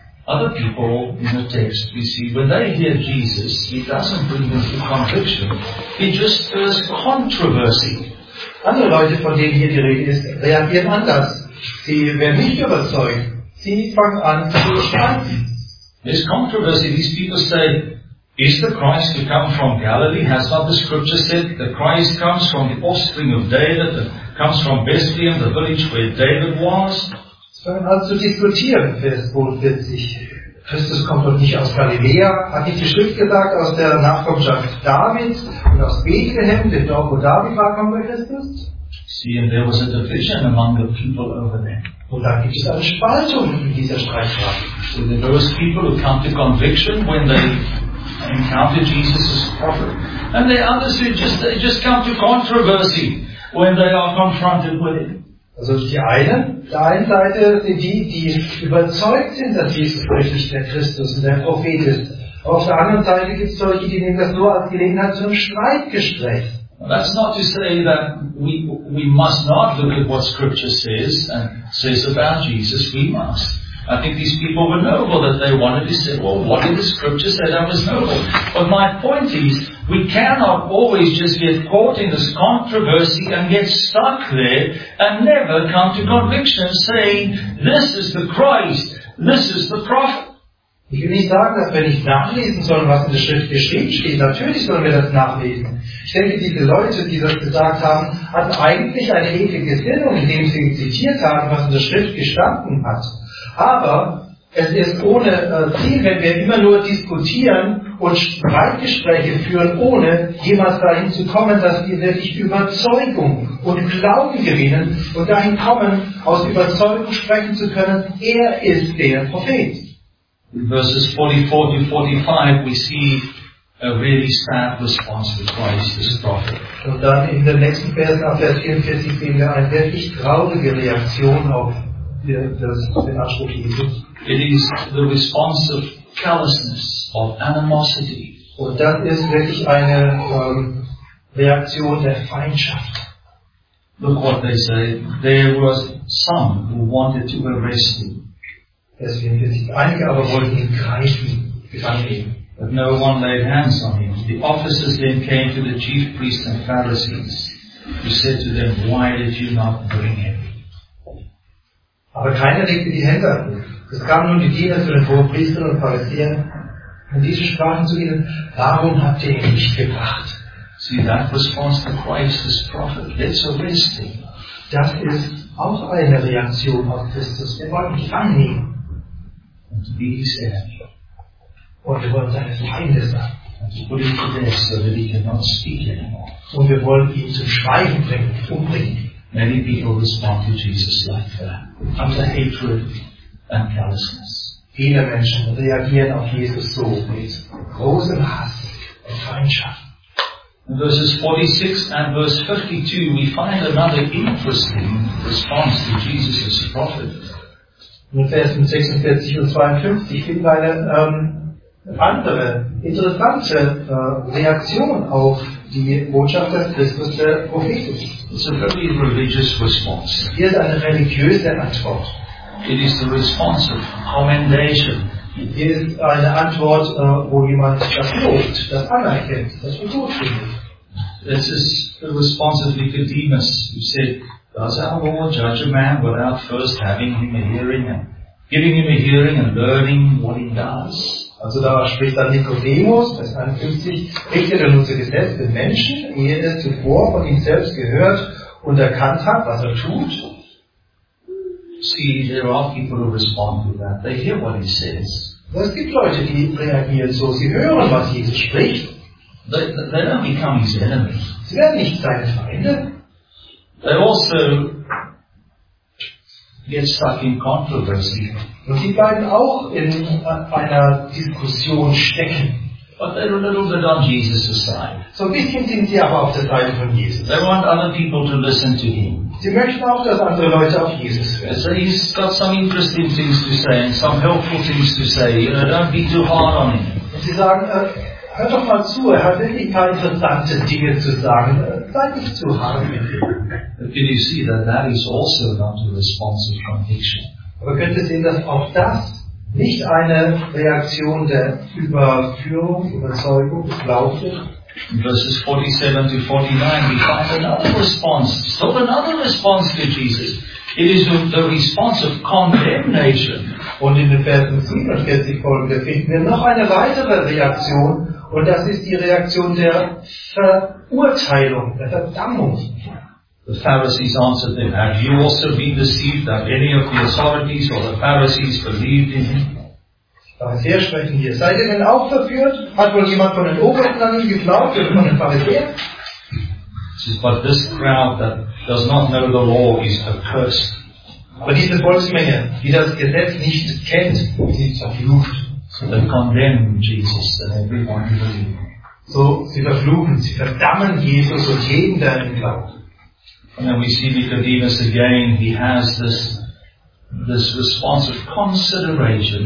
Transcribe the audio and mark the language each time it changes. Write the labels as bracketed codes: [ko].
[en] Other people in the text, we see, when they hear Jesus, he doesn't bring them to conviction. He just stirs controversy. [de] Andere Leute, von denen hier die Rede ist, reagieren anders. Sie werden nicht überzeugt. Sie fangen an zu streiten. [en] There's controversy. These people say, is the Christ to come from Galilee? Has not the scripture said the Christ comes from the offspring of David, comes from Bethlehem, the village where David was? [de] Es fangen an zu diskutieren, Vers 40. Christus kommt doch nicht aus Galiläa, hat nicht die Schrift gesagt, aus der Nachkommenschaft Davids und aus Bethlehem, dem Dorf, wo David war, kommt der Christus? [en] See, and there was a division among the people over there. [de] Und da gibt es eine Spaltung in dieser Streitfrage. [en] So there were those people who come to conviction when they encounter Jesus as prophet. And there are others who just come to controversy when they are confronted with it. [de] Also die einen Seite sind die überzeugt sind, dass Jesus wirklich der Christus und der Prophet ist. Auf der anderen Seite gibt es solche, die nehmen das nur als Gelegenheit zum Streitgespräch. [en] That's not to say that we must not look at what Scripture says about Jesus. We must. I think these people were noble that they wanted to say, well, what did the Scripture say that was noble? But my point is, we cannot always just get caught in this controversy and get stuck there and never come to conviction saying, this is the Christ, this is the prophet. [de] Ich will nicht sagen, dass wir nicht nachlesen sollen, was in der Schrift geschrieben steht. Natürlich sollen wir das nachlesen. Ich denke, diese Leute, die das gesagt haben, hatten eigentlich eine edle Gesinnung, indem sie zitiert haben, was in der Schrift gestanden hat. Aber es ist ohne Ziel, wenn wir immer nur diskutieren und Streitgespräche führen, ohne jemals dahin zu kommen, dass wir wirklich Überzeugung und Glauben gewinnen und dahin kommen, aus Überzeugung sprechen zu können, er ist der Prophet. [en] In verses 44 to 45 we see a really sad response to Christ as prophet. [de] Und dann in den nächsten Versen, ab Vers 44, sehen wir eine wirklich traurige Reaktion auf den Anspruch Jesus. [en] It is the response of callousness, of animosity. [de] Und das ist wirklich eine Reaktion der Feindschaft. [en] Look what they say. There was some who wanted to arrest him. [de] Einige aber wollten ihn greifen, gefangen nehmen. [en] But no one laid hands on him. The officers then came to the chief priests and Pharisees, who said to them, why did you not bring him? [de] Aber keiner legte die Hände an ihn. Es kamen nun die Diener zu den Hohepriestern und Pharisäern, und diese sprachen zu ihnen, warum habt ihr ihn nicht gebracht? [en] See, that response to Christ is prophet. Let's arrest him. [de] Das ist auch eine Reaktion auf Christus. Wir wollen ihn gefangen nehmen. [en] And to be his enemy. [de] Und wir wollen seine Feinde sein. [en] And to put him to death so that he cannot speak anymore. [de] Und wir wollen ihn zum Schweigen bringen, umbringen. [en] Many people respond to Jesus like that. Under hatred and callousness. [de] Viele Menschen reagieren auf Jesus so mit großem Hass und Feindschaft. [en] In verses 46 and verse 52 we find another interesting response to Jesus as prophet. [de] In Versen 46 und 52 finden wir eine andere, interessante Reaktion auf die Botschaft des Christus der Prophetus. [en] It's a very religious response. [de] Hier ist eine religiöse Antwort. [en] It is the response of commendation. [de] Hier ist eine Antwort, wo jemand das lobt, das anerkennt, das gut findet. [en] This is the response of Nicodemus, who said, does our Lord judge a man without first having him a hearing and giving him a hearing and learning what he does? [de] Also da spricht dann Nikodemus, Vers 51, richtet er unser Gesetz den Menschen, ehe er zuvor von ihm selbst gehört und erkannt hat, was er tut? [en] See, there are people who respond to that. They hear what he says. [de] Es gibt Leute, die reagieren so. Sie hören, was Jesus spricht. [en] They don't become his enemies. [de] Sie werden nicht seine Feinde. [en] They also get stuck in controversy. [de] Und sie bleiben auch in einer Diskussion stecken. [en] But they're a little bit on Jesus' side. [de] So ein bisschen sind sie aber auf der Seite von Jesus. [en] They want other people to listen to him. [de] Sie möchten auch, dass andere Leute auf Jesus hören. [en] So he's got some interesting things to say and some helpful things to say. You know, don't be too hard on him. [de] Und sie sagen, hör doch mal zu, er hat wirklich keine interessante Dinge zu sagen. Sei nicht zu hart mit ihm. [en] But can you see that that is also not a response of conviction? [de] Aber könnt ihr sehen, dass auch das nicht eine Reaktion der Überführung, Überzeugung, Glauben. [en] In verses 47 to 49, we find another response. Still another response to Jesus. It is the response of condemnation. [de] Und in den Versen 47 folgende finden wir noch eine weitere Reaktion. Und das ist die Reaktion der Verurteilung, der Verdammung. [en] The Pharisees answered them, "Have you also been deceived? Have any of the authorities or the Pharisees believed in him?" [de] Pharisäer sprechen hier. Seid ihr denn auch verführt? Hat wohl jemand von den Obersten an ihn geglaubt oder von den Pharisäern? [en] Says, "But this crowd that does not know the law is accursed." [de] Aber diese Volksmenge, die das Gesetz nicht kennt, sind verflucht. [en] So they condemn Jesus and everyone who believes. [de] So sie verfluchen, sie verdammen Jesus und jeden, der an ihn glaubt. [en] And then we see Nicodemus again, he has this response of consideration.